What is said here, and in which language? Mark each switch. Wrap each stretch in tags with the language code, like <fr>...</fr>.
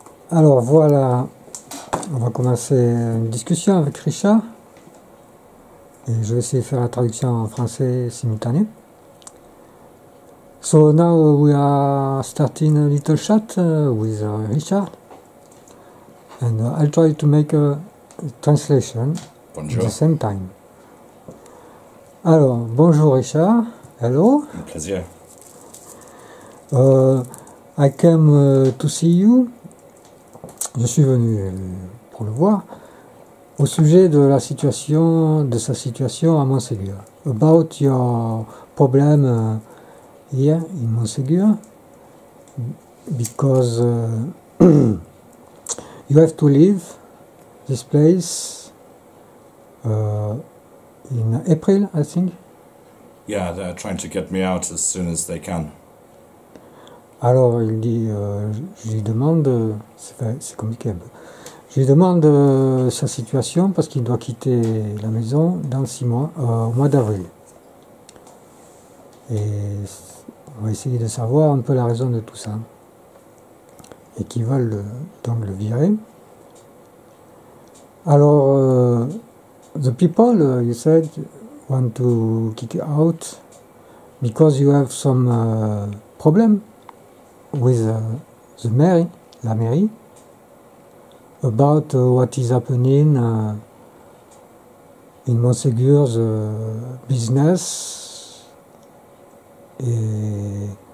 <fr>Alors voilà, on va commencer une discussion avec Richard. Et je vais essayer de faire la traduction en français simultanée.</fr> <en>So now we are starting a little chat with Richard. And I'll try to make a translation at the</en> <fr>Bonjour.</fr> <en>same time.</en> <fr>Alors, bonjour</fr> <en>Richard. Hello.</en> <fr>Un plaisir.</fr> <en>I came to see you.</en> <fr>Je suis venu pour le voir au sujet de la situation, de sa situation à Montségur.</fr> <en>About your problem here in Montségur, because you have to leave this place in April, I think. Yeah, they're trying to get me out as soon as they can.</en> <fr>Alors, il dit, je lui demande, c'est compliqué un peu. Je lui demande sa situation parce qu'il doit quitter la maison dans 6 mois, au mois d'avril. Et on va essayer de savoir un peu la raison de tout ça. Et qu'ils veulent donc le virer.</fr> <en>Alors, the people, you said, want to kick you out because you have some problem. With the mairie, la mairie, about what is happening in Montségur's business et</en>